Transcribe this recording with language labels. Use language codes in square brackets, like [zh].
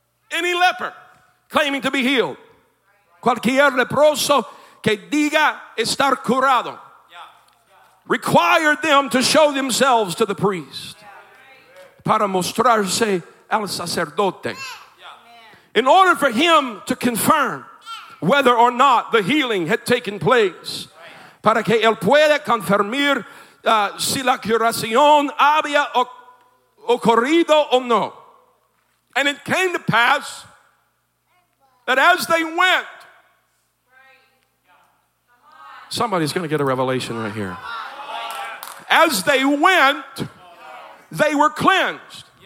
[en] Any leper claiming to be healed. [es] Cualquier leproso que diga estar curado. [en] Required them to show themselves to the priest. [es] Para mostrarse al sacerdote. [en] In order for him to confirm whether or not the healing had taken place. [es] Para que él pueda confirmar si la curación había ocurrido o no. [en] And it came to pass that as they went, somebody's going to get a revelation right here. As they went, they were cleansed.